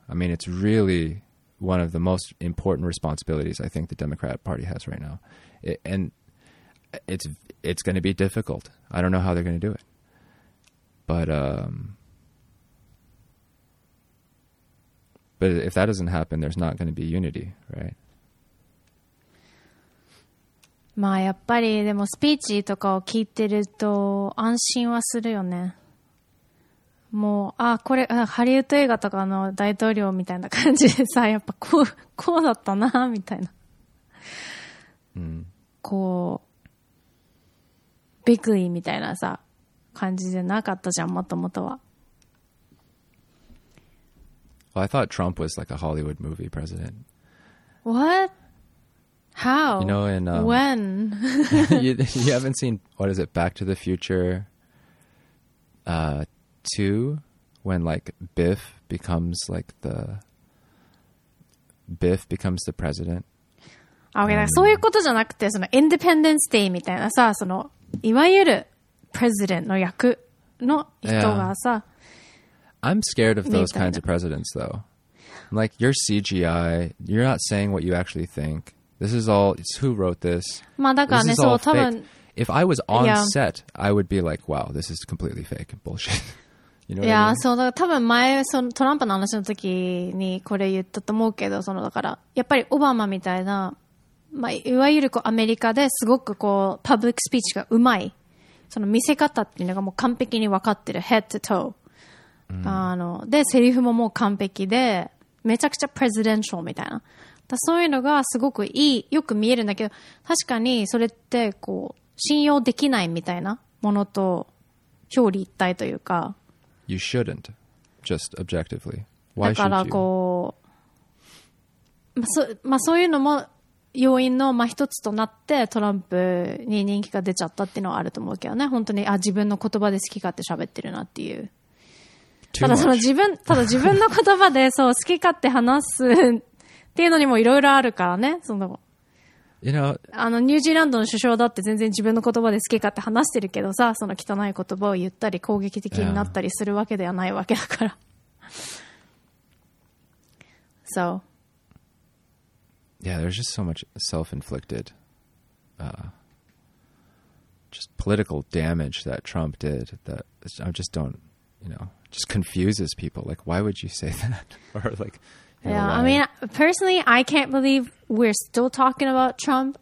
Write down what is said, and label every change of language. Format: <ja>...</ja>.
<en>I mean, it's really one of the most important responsibilities I think the Democrat Party has right now. And it's going to be difficult. I don't know how they're going to do it. But if that doesn't happen, there's not going to be unity, right?</en> <ja>まあやっぱりでもスピーチとかを聞いてると安心はするよね。もうあこれあハリウッド映画とかの大統領みたいな感じでさ、やっぱこうだったなみたいな。こうビクリーみたいなさ感じじゃなかったじゃん、もともとは。</ja> <en>Well, I thought Trump was like a Hollywood movie president. What? How? You know, in, when? you haven't seen, what is it, Back to the Future 2, when like Biff becomes the president. Okay, and,</en> <ja>そういうことじゃなくて、その Independence Day みたいなさ、その、いわゆる president の役の人がさ。</ja> <en>I'm scared of those kinds of presidents though. Like, you're CGI, you're not saying what you actually think. This is all, it's who wrote this.</en> <ja>まあだからね、そう、多分。</ja> <en>If I was on set, I would be like, wow, this is completely fake and bullshit. You know what I mean?</en> <ja>そう、だから多分前、そのトランプの話の時にこれ言ったと思うけど、そのだから、やっぱりオバマみたいな、まあ、いわゆるこうアメリカですごくこう、パブリックスピーチがうまい。その見せ方っていうのがもう完璧に分かってる。</ja> <en>Head to toe。</en> <ja>あの、で、セリフももう完璧で、めちゃくちゃプレゼデンシャルみたいな。だそういうのがすごくいい、よく見えるんだけど、確かにそれってこう、信用できないみたいなものと表裏一体というか。</ja> <en>You shouldn't, just objectively. Why you?</en> <ja>だからこう、そういうのも要因のまあ一つとなってトランプに人気が出ちゃったっていうのはあると思うけどね。本当に、あ、自分の言葉で好き勝手喋ってるなっていう。ただその自分の言葉でそう好き勝手話す。っていうのにもいろいろあるからね、その。</ja> <en>You know,</en> <ja>あのニュージーランドの首相だって全然自分の言葉で好き勝手話してるけどさ、その汚い言葉を言ったり攻撃的になったりするわけではないわけだから。</ja> <en>So. Yeah, there's just so much self-inflicted, just political damage that Trump did that I just don't, you know, just confuses people. Like, why would you say that? Or like. Yeah, I mean, personally, I can't believe we're still talking about Trump.</en>